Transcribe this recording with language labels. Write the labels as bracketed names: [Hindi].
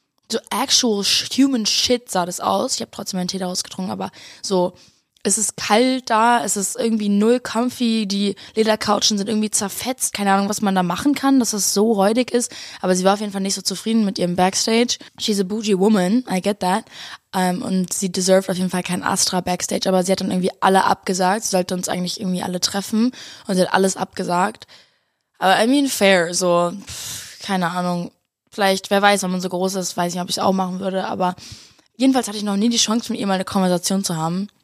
[English] So actual human shit [German] sah das aus. Ich habe trotzdem meinen Tee daraus getrunken, aber so. Es ist kalt da, es ist irgendwie null comfy, die Ledercouchen sind irgendwie zerfetzt. Keine Ahnung, was man da machen kann, dass es so räudig ist. Aber sie war auf jeden Fall nicht so zufrieden mit ihrem Backstage. [English] She's a bougie woman, I get that. [German] Und sie deserved auf jeden Fall kein Astra-Backstage. Aber sie hat dann irgendwie alle abgesagt. Sie sollte uns eigentlich irgendwie alle treffen. Und sie hat alles abgesagt. Aber [English] I mean fair, [German] so, keine Ahnung. Vielleicht, wer weiß, wenn man so groß ist, weiß ich, ob ich es auch machen würde. Aber jedenfalls hatte ich noch nie die Chance, mit ihr mal eine Konversation zu haben.